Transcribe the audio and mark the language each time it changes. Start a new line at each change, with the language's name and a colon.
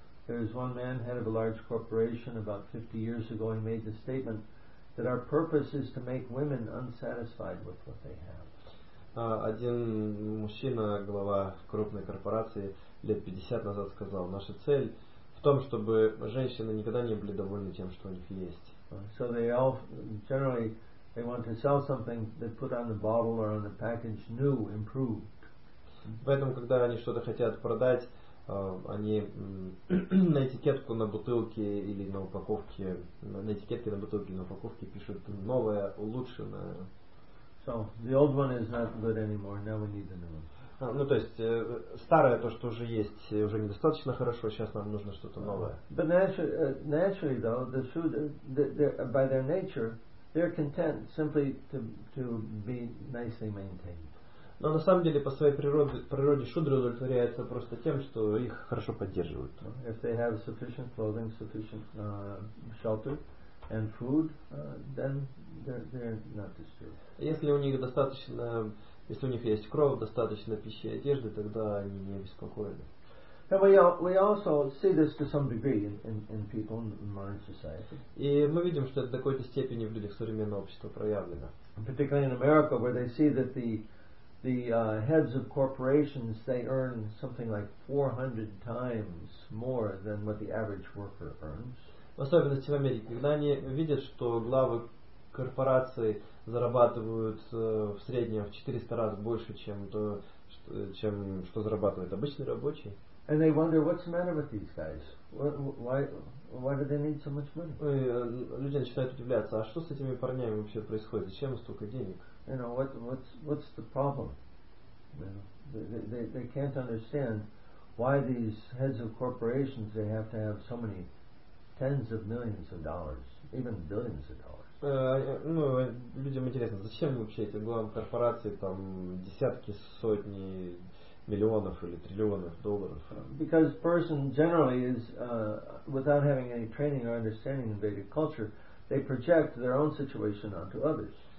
English: There is one man, head of a large corporation, about 50 years ago, he made the statement that our purpose is to make women unsatisfied with what they have.
Russian: Один мужчина, глава крупной корпорации, лет 50 назад сказал, наша цель в том, чтобы женщины никогда не были довольны тем, что у них есть.
English: So they all generally they want to sell something they put on the bottle or on the package new, improved.
Russian: Поэтому, когда они что-то хотят продать, они на этикетку на бутылке или на упаковке, на этикетке на бутылке или на упаковке пишут новое, улучшенное.
English: So the old one is not good anymore. Now we need the new one.
Russian: Ну, то есть, старое, то, что уже есть, уже недостаточно хорошо, сейчас нам нужно что-то новое.
English: But naturally, though, the Shudras, by their nature, they're content simply to be nicely maintained.
Russian: Но на самом деле, по своей природе шудры удовлетворяются просто тем, что их хорошо поддерживают.
English: If they have sufficient clothing, sufficient shelter and food, then they're not disturbed.
Russian: Если у них достаточно... Если у них есть кровь, достаточно пищи и одежды, тогда они не обеспокоены.
English: We also see this to some degree in people in modern society.
Russian: И мы видим, что это в какой-то степени в людях современного общества проявлено.
English: Particularly in America, where they see that the heads of corporations, they earn something like 400 times more than what the average worker earns.
Russian: В особенности в Америке, когда они видят, что главы корпорации зарабатывают в среднем в 400 раз больше, чем что зарабатывает обычный рабочий.
English: And they wonder what's the matter with these guys? Why do they need so much money?
Russian: Люди начинают удивляться, а что с этими парнями вообще происходит? Зачем столько денег?
English: You know what's the problem? You know, they can't understand why these heads of corporations they have so many tens of millions of dollars, even billions of dollars.
Russian: Ну, людям интересно, зачем вообще эти главы корпорации там десятки, сотни миллионов или триллионов долларов?
English: Because person generally is without having any training or understanding in Vedic culture, they project their own situation onto others.